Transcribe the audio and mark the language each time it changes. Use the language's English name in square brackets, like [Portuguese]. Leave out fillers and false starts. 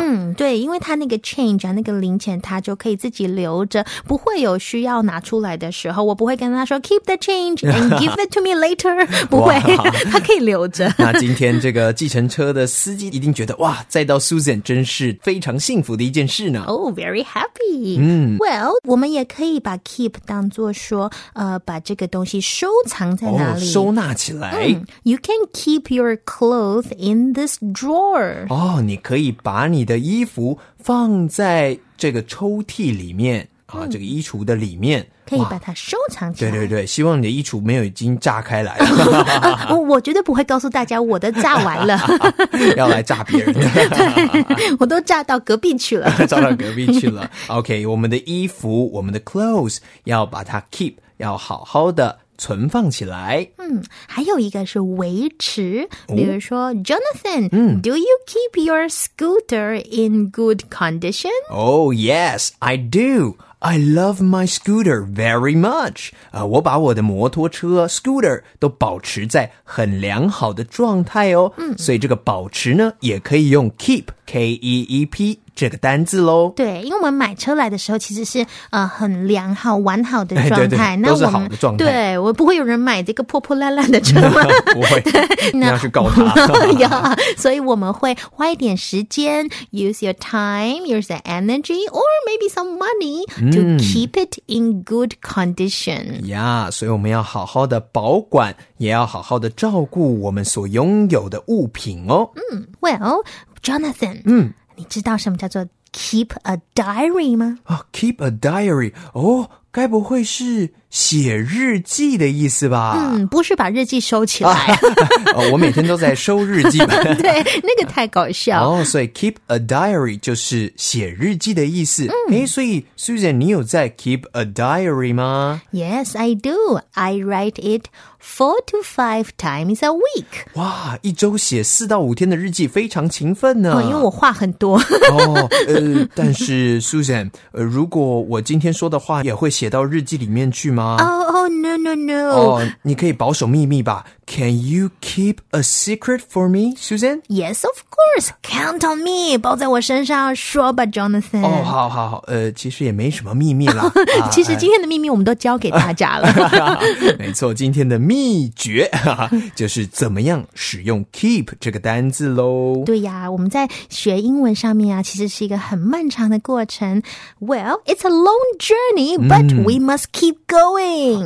[Chinese] 嗯，对，因为他那个 change 啊，那个零钱他就可以自己留着，不会有需要拿出来的时候，我不会跟他说 [English] keep the change and give it to me later， [Chinese] 不会，他可以留着。那今天这个计程车的司机一定觉得哇，再到 Susan 真是非常幸福的一件事呢。 [English] Oh, very happy. 嗯，Well。 [Chinese] 我们也可以把 keep 当作说把这个东西收藏在哪里，哦，收纳起来， [English] You can keep your clothes in this drawer. [Chinese] 哦，你可以把你的衣服放在这个抽屉里面啊，这个衣橱的里面可以把它收藏起来。对对对，希望你的衣橱没有已经炸开来了。我绝对不会告诉大家我的炸完了。要来炸别人。我都炸到隔壁去了。炸到隔壁去了。OK, 我们的衣服，我们的 clothes, 要把它 keep, 要好好的存放起来。嗯，还有一个是维持，比如说，哦， [English] Jonathan,do you keep your scooter in good condition? Oh, yes, I do. I love my scooter very much. [Chinese] 我把我的摩托车 scooter 都保持在很良好的状态哦。嗯，所以这个保持呢，也可以用 keep, K-E-E-P. 这个单字咯。对，因为我们买车来的时候其实是很良好完好的状态，哎，对对，那我们都是好的状态。对，我不会有人买这个破破烂烂的车吗？不会，对，那要去告他。 [English] yeah, [Chinese] 所以我们会花一点时间 [English] use your time, use the energy or maybe some money to keep it in good condition. [Chinese] Yeah, 所以我们要好好的保管，也要好好的照顾我们所拥有的物品哦。 Well, Jonathan, 你知道什么叫做 keep a diary 吗？啊 ，keep a diary， 哦，该不会是写日记的意思吧？嗯，不是把日记收起来。我每天都在收日记本。对，那个太搞笑。哦，所以 keep a diary 就是写日记的意思。诶，所以 Susan， 你有在 keep a diary 吗 [English] ？Yes, I do. I write it 4 to 5 times a week. [Chinese] 哇，一周写4到5天的日记，非常勤奋呢。哦，因为我话很多。但是 Susan， 如果我今天说的话也会写到日记里面去吗？ [English] Oh, no. [Chinese] 你可以保守秘密吧。 [English] Can you keep a secret for me, Susan? Yes, of course. Count on me. [Chinese] 抱在我身上说吧 [English] ，Jonathan. [Chinese] 哦，好好好，其实也没什么秘密啦。其实今天的秘密我们都交给大家了。没错，今天的秘诀就是怎么样使用 keep 这个单字咯。对呀，我们在学英文上面啊，其实是一个很漫长的过程。 [English] Well, it's a long journey, but we must keep going.